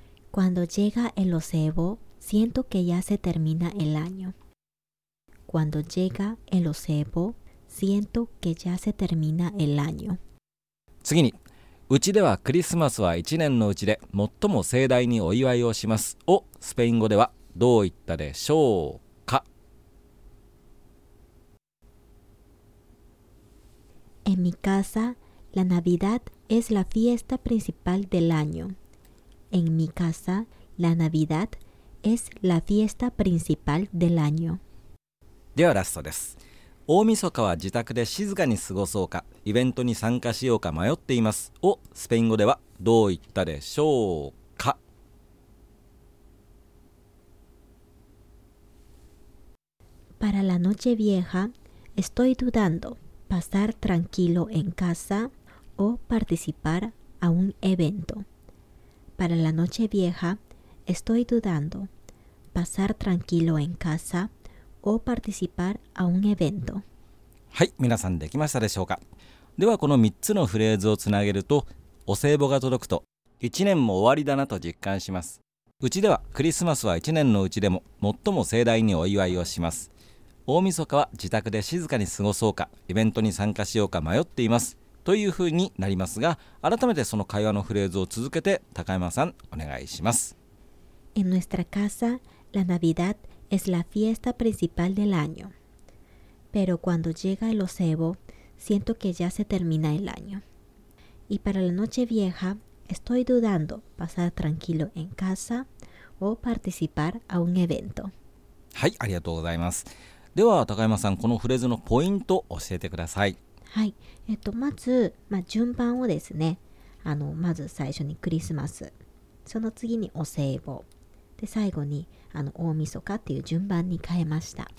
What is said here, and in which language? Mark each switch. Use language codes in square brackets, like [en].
[es] Cuando llega el Ocebo, siento que ya se termina el año. Cuando llega el Ocebo, siento que ya se termina el año. [ja] 次に、うちではクリスマスは一年のうちで最も盛大にお祝いをしますをスペイン語ではどう言ったでしょうか？ [es] En mi casa, la Navidad es la fiesta principal del año. En mi casa, la Navidad es la fiesta principal del año. [ja] ではラストです。大晦日は自宅で静かに過ごそうか、イベントに参加しようか迷っていますをスペイン語ではどう言ったでしょうか？ [es] Para la noche vieja, estoy dudando pasar tranquilo en casa o participar a un evento. Para la noche vieja, estoy dudando pasar tranquilo en casa o participar a un evento. [ja] はい、皆さんできましたでしょうか？ではこの3つのフレーズをつなげると、お歳暮が届くと1年も終わりだなと実感します。うちではクリスマスは1年のうちでも最も盛大にお祝いをします。大晦日は自宅で静かに過ごそうか、イベントに参加しようか迷っています。というふうになりますが、改めてその会話のフレーズを続けて高山さんお願いします。 [es] En nuestra casa, la Navidad es la fiesta principal del año. Pero cuando llega el Ocebo, siento que ya se termina el año. Y para la noche vieja, estoy dudando pasar tranquilo en casa o participar a un evento. [ja] はい、ありがとうございます。では高山さん、このフレーズのポイントを教えてください。はい、まず、順番をですね、まず最初にクリスマス、その次にお歳暮、で最後に大晦日っていう順番に変えました。